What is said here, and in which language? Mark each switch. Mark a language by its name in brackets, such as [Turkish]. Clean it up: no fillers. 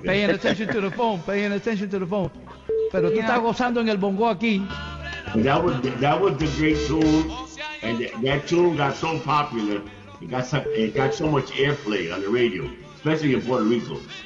[English] Paying attention to the phone, paying attention to the phone. [Spanish] Pero yeah. Tú estás gozando en el bongo aquí. [English] That was the great tune, and that tune got so popular, it got so much airplay on the radio, especially in Puerto Rico.